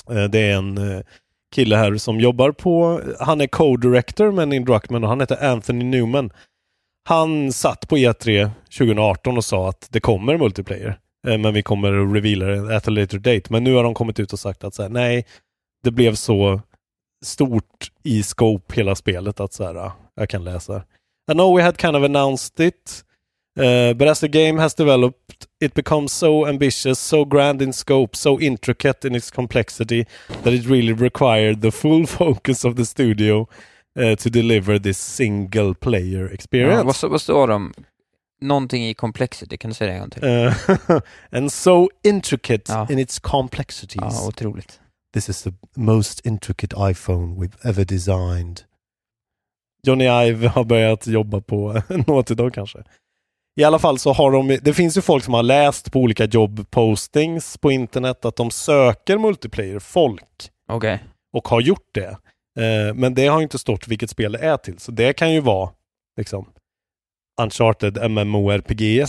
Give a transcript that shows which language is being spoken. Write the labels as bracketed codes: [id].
[sv] Det är en kille här som jobbar på, han är co-director med Neil Druckmann och han heter Anthony Newman. Han satt på E3 2018 och sa att det kommer multiplayer, men vi kommer att reveala det [en] at a later date. [sv] Men nu har de kommit ut och sagt att så här, nej, det blev så stort i scope hela spelet att så här, jag kan läsa. [en] I know we had kind of announced it, but as the game has developed, it becomes so ambitious, so grand in scope, so intricate in its complexity that it really required the full focus of the studio to deliver this single player experience. [sv] Vad står om någonting i complexity? Kan du säga det igen till? [en] And so intricate in its complexities. [sv] Ja, otroligt. [en] This is the most intricate iPhone we've ever designed. [sv] Johnny Ive har börjat jobba på något idag kanske. I alla fall så har de, det finns ju folk som har läst på olika jobbpostings på internet att de söker multiplayer folk. [en] Okay. [sv] Och har gjort det. Men det har inte stått vilket spel det är till. Så det kan ju vara liksom Uncharted MMORPG.